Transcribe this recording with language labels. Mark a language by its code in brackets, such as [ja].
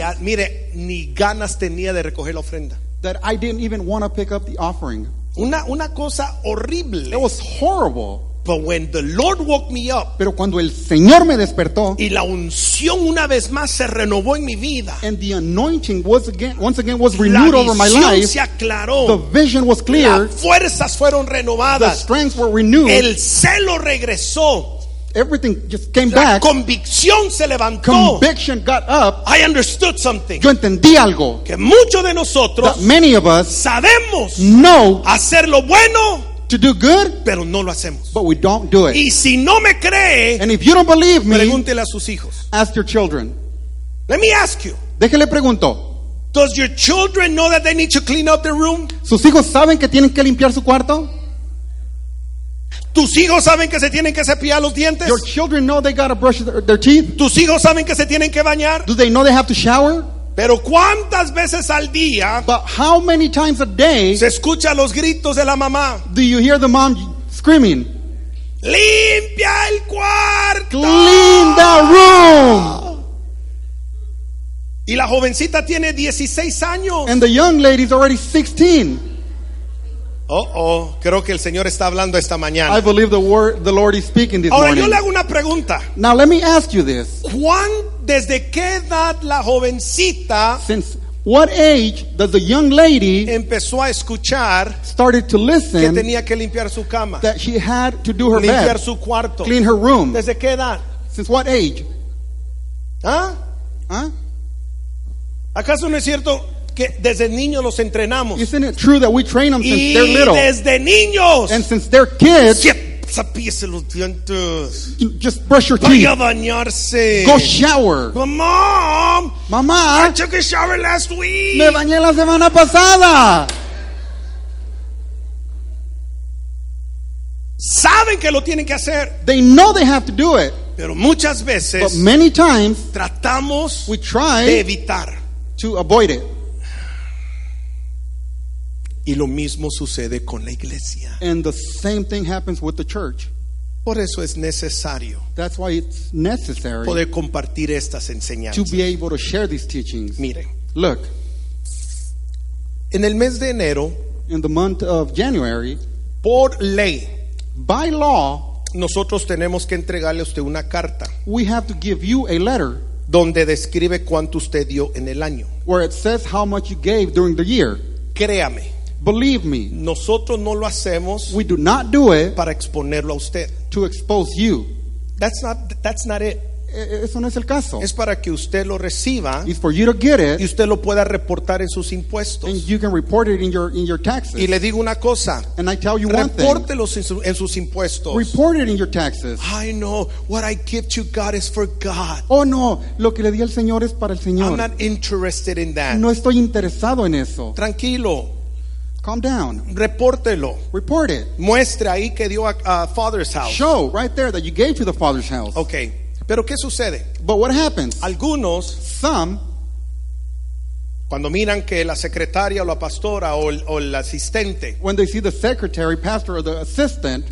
[es] que, mire, ni ganas tenía de recoger la ofrenda, [en] that I didn't even want to pick up the offering. [es] Una cosa horrible. [en] It was horrible. But when the Lord woke me up, [es] pero cuando el Señor me despertó, y la unción una vez más se renovó en mi vida, [en] and the anointing was again, once again was renewed over my life, [es] la visión se aclaró, [en] the vision was clear, [es] las fuerzas fueron renovadas, [en] the strength were renewed, [es] el celo regresó, [en] everything just came back, [es] la convicción se levantó, [en] conviction got up, I understood something, [es] yo entendí algo, que muchos de nosotros, [en] that many of us, [es] sabemos, [en] know, [es] hacer lo bueno, [en] to do good, [es] pero no lo hacemos. [en] But we don't do it. [es] Y si no me cree, [en] and if you don't believe me, [es] pregúntele a sus hijos. [en] Ask your children. Let me ask you. [es] Déjele pregunto. [en] Does your children know that they need to clean up their room? [es] ¿Sus hijos saben que tienen que limpiar su cuarto? ¿Tus hijos saben que se tienen que cepillar los dientes? [en] Your children know they gotta brush their teeth? [es] ¿Tus hijos saben que se tienen que bañar? [en] Do they know they have to shower? [es] Pero cuántas veces al día, [en] but how many times a day, [es] se escucha los gritos de la mamá, [en] do you hear the mom screaming, [es] limpia el cuarto, [en] clean the room, [es] y la jovencita tiene 16 años, [en] and the young lady is already 16. [es] Oh, creo que el Señor está hablando esta mañana. [en] I believe the Lord is speaking this [es] ahora [en] morning. [es] Ahora yo le hago una pregunta. [en] Now let me ask you this. [es] Desde qué edad la jovencita, [en] since what age does the young lady, [es] empezó a escuchar, [en] started to listen, [es] que tenía que limpiar su cama, [en] that she had to do her [es] limpiar [en] bed, [es] su cuarto, [en] clean her room. [es] Desde qué edad? [en] Since what age? ¿Ah? [es] ¿Acaso no es cierto que desde niños los entrenamos? [en] Isn't it true that we train them since they're little? [es] Y desde niños. [en] And since they're kids. [es] Cepíllese los dientes. [en] Just brush your teeth. [es] Vaya a bañarse. [en] Go shower. But mom. [es] Mamá. [en] I took a shower last week. [es] Me bañé la semana pasada. Saben que lo tienen que hacer. [en] They know they have to do it. [es] Pero muchas veces. [en] But many times. [es] Tratamos. [en] We try. [es] De evitar. [en] To avoid it. [es] Y lo mismo sucede con la iglesia. [en] And the same thing happens with the church. [es] Por eso es necesario. [en] That's why it's necessary. [es] Poder compartir estas enseñanzas. [en] To be able to share these teachings. [es] Miren. [en] Look. [es] En el mes de enero. [en] In the month of January. [es] Por ley. [en] By law. [es] Nosotros tenemos que entregarle a usted una carta. [en] We have to give you a letter. [es] Donde describe cuánto usted dio en el año. [en] Where it says how much you gave during the year. [es] Créame. [en] Believe me, [es] nosotros no lo hacemos, [en] we do not do it, [es] para exponerlo a usted, [en] to expose you. That's not it. [es] Eso no es el caso. Es para que usted lo reciba, [en] it's for you to get it, [es] y usted lo pueda reportar en sus impuestos, [en] and you can report it in your taxes. [es] Y le digo una cosa, [en] and I tell you one thing, [es] repórtelo en sus impuestos. [en] Report it in your taxes. I know what I give to God is for God. [es] Oh no, lo que le di al Señor es para el Señor. [en] I'm not interested in that. [es] No estoy interesado en eso. Tranquilo. [en] Calm down. [es] Repórtelo. [en] Report it. [es] Muestre ahí que dio a Father's house. [en] Show right there that you gave to the Father's house. [es] Okay. Pero ¿qué sucede? [en] But what happens? [es] Algunos, [en] some, [es] Cuando miran que la secretaria o la pastora o el asistente, [en] when they see the secretary, pastor, or the assistant,